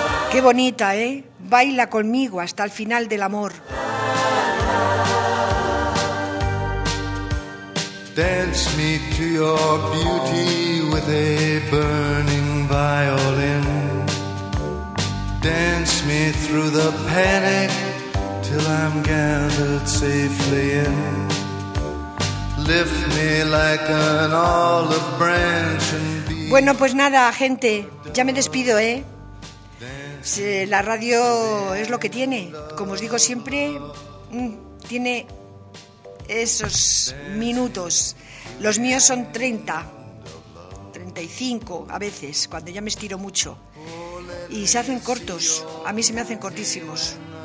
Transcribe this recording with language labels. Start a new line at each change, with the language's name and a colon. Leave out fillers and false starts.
Spanish: Qué bonita, ¿eh? Baila conmigo hasta el final del amor.
English: Dance me to your beauty with a burning violin. Dance me through the panic till I'm gathered safely in. Lift me like an olive branch and be.
Spanish: Bueno, pues nada, gente, ya me despido, ¿eh? La radio es lo que tiene, como os digo siempre, tiene esos minutos. Los míos son 30, 30 45 a veces, cuando ya me estiro mucho. Y se hacen cortos, a mí se me hacen cortísimos.